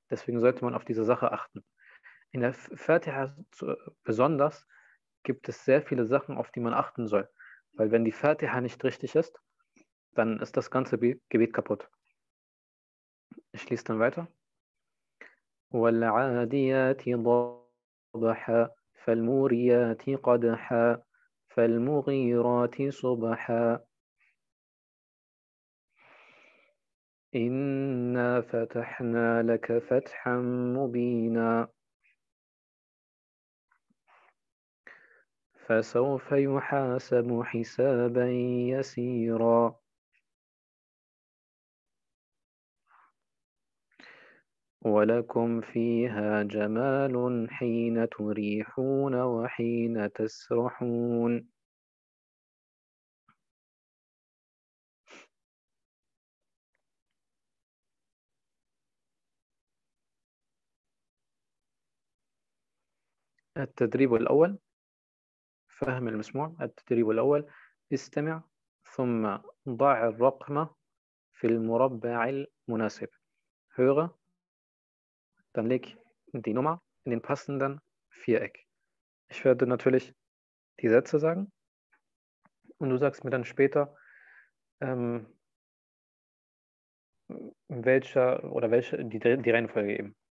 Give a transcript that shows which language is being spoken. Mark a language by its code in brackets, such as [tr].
[de] Deswegen sollte man auf diese Sache achten. In der Fatiha besonders gibt es sehr viele Sachen, auf die man achten soll. Weil wenn die Fatiha nicht richtig ist, dann ist das ganze Gebet kaputt. Ich schließe dann weiter. [ar] وَالْعَادِيَاتِ ضَبَحَا فَالْمُورِيَاتِ قَدْحَا فَالْمُغِيرَاتِ صُبَحَا إِنَّا فَتَحْنَا لَكَ فَتْحًا مُبِينًا فَسَوْفَ يُحَاسَبُ حِسَابًا يَسِيرًا ولكم فيها جمال حين تريحون وحين تسرحون. التدريب الأول، فهم المسموع. التدريب الأول، استمع ثم ضع الرقم في المربع المناسب. [de] Höre. Dann leg die Nummer in den passenden Viereck. Ich werde natürlich die Sätze sagen und du sagst mir dann später, die Reihenfolge eben.